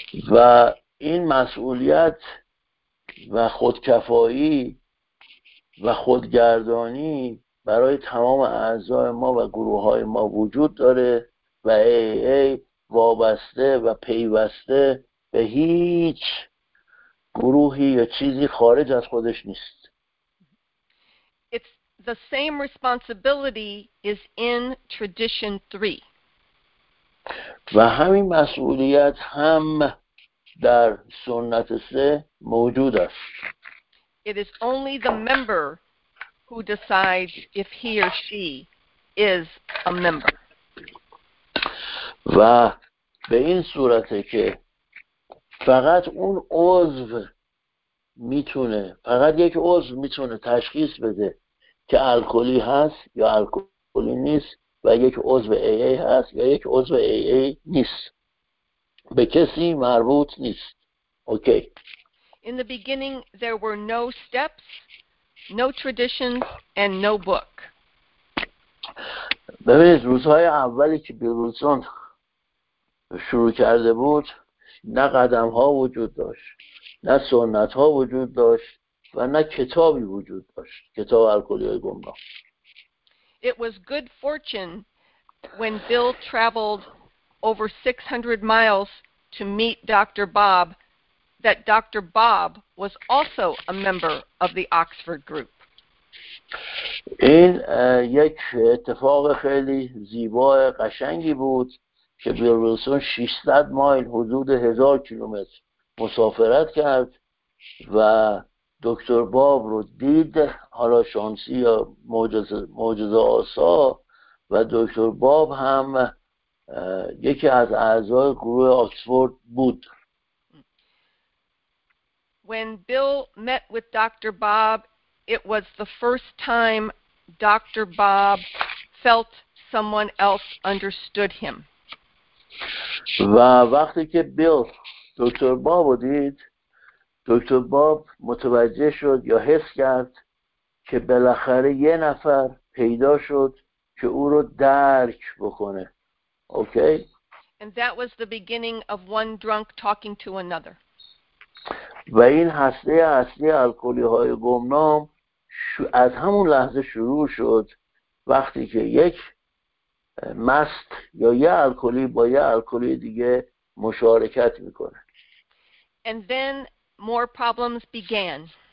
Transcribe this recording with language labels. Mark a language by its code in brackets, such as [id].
[fa] و این مسئولیت و خودکفایی و خودگردانی برای تمام اعضای ما و گروه های ما وجود داره و AA وابسته و پیوسته به هیچ گروهی یا چیزی خارج از خودش نیست. [en] It's the same responsibility is in tradition 3. [fa] و همین مسئولیت هم در سنت 3 موجود است. [en] It is only the member who decides if he or she is a member. [fa] و به این صورته که فقط اون عضو میتونه، فقط یک عضو میتونه تشخیص بده که الکلی هست یا الکلی نیست و یک عضو AA هست یا یک عضو AA نیست. به کسی مربوط نیست. اوکی. [en] In the beginning there were no steps, no traditions and no book. [fa] ببینید روزهای اولی که بیلوزون شروع کرده بود نه قدم ها وجود داشت، نه سنت ها وجود داشت و نه کتابی وجود داشت، کتاب الکلی های گمراه. [en] It was good fortune when Bill traveled over 600 miles to meet Dr. Bob that Dr. Bob was also a member of the Oxford group. [fa] این یک اتفاق خیلی زیبا قشنگی بود که بیل ویلسون 600 مایل حدود 1000 کیلومتر مسافرت کرد و دکتر باب رو دید، حالا شانسی یا معجزه آسا، و دکتر باب هم یکی از اعضای گروه آکسفورد بود. [en] When Bill met with Dr. Bob, it was the first time Dr. Bob felt someone else understood him. [fa] و وقتی که بیل دکتر باب رو دید، دکتر باب متوجه شد یا حس کرد که بالاخره یه نفر پیدا شد که او رو درک بکنه. اوکی؟ [en] And that was the beginning of one drunk talking to another. [fa] و این هسته اصلی الکلی های گمنام از همون لحظه شروع شد وقتی که یک مست یا یه الکلی با یه الکلی دیگه مشارکت میکنه. [en] And then more problems began.